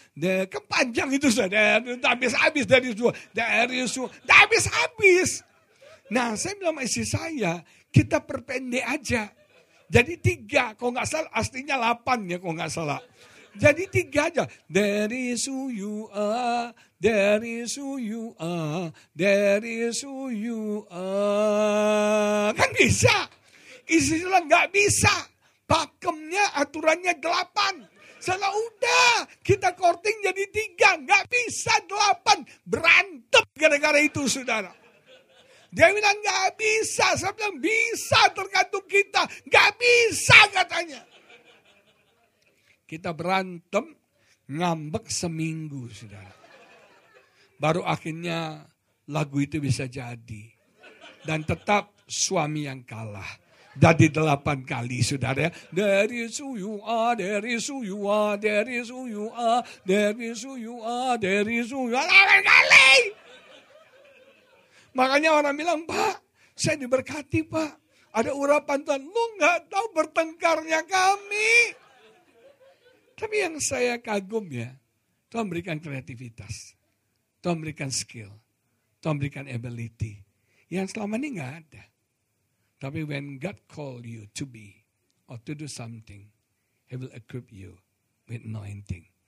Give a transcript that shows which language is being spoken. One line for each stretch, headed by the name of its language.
Indonesian: There, kepanjang itu sudah. Habis-habis dari dua.
English: There is who.
Indonesian: Habis-habis. Nah, saya bilang sama istri saya, kita perpendek aja. Jadi tiga. Kalau enggak salah, aslinya lapan ya kalau enggak salah. Jadi tiga aja.
English: There is who you are. There is who you are, there is who you are.
Indonesian: Kan bisa. Istilahnya gak bisa. Pakemnya, aturannya delapan. Salah udah, kita korting jadi tiga. Gak bisa delapan. Berantem gara-gara itu, saudara. Dia bilang gak bisa. Saya bilang bisa tergantung kita. Gak bisa katanya. Kita berantem, ngambek seminggu, saudara. Baru akhirnya lagu itu bisa jadi. Dan tetap suami yang kalah. Jadi delapan kali, saudara.
English: There is who you are, there is who you are, there is who you are, there is who you are, there is who you are.
Indonesian: Delapan kali! Makanya orang bilang, Pak, saya diberkati, Pak. Ada urapan Tuhan. Lu gak tahu bertengkarnya kami. Tapi yang saya kagum ya, Tuhan berikan kreativitas. Tuhan berikan skill, Tuhan berikan ability, yang selama ini gak ada.
English: Tapi when God call you to be, or to do something, He will equip you with anointing.